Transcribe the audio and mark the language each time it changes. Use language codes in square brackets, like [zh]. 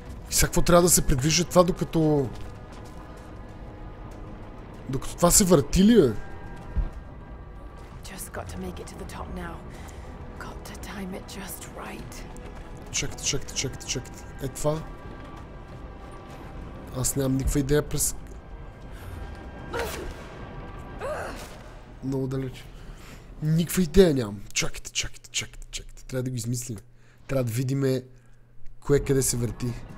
[bg] И сега какво трябва да се придвижи това, докато... Докато това се върти ли, бе? [en] Just got to make it to the top now. Got to time it just right. [bg] Чакайте. Е това? Аз нямам никаква идея през... Много далеч. Никаква идея нямам. Чакайте. Трябва да го измислим. Трябва да видим кое къде се върти.